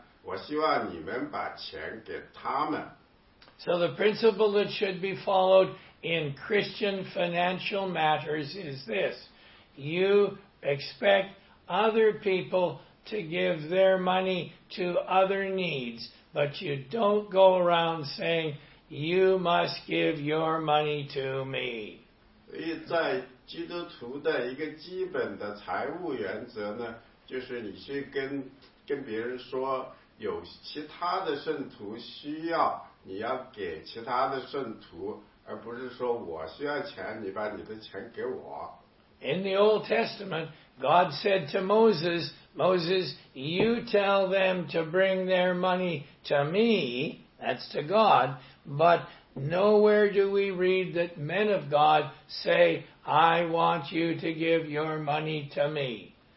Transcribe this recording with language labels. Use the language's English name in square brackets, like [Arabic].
[Chinese] 使徒保罗说呢，那个在耶路撒冷的圣徒需要钱，我希望你们把钱给他们。 [English] So the principle that should be followed in Christian financial matters is this. You expect other people to give their money to other needs, but you don't go around saying, you must give your money to me. [Chinese] 所以在基督徒的一个基本的财务原则呢，就是你去跟别人说有其他的圣徒需要 你要给其他的圣徒，而不是说我需要钱，你把你的钱给我。 [English] In the Old Testament, God said to Moses, Moses, you tell them to bring their money to me, that's to God, but nowhere do we read that men of God say, I want you to give your money to me.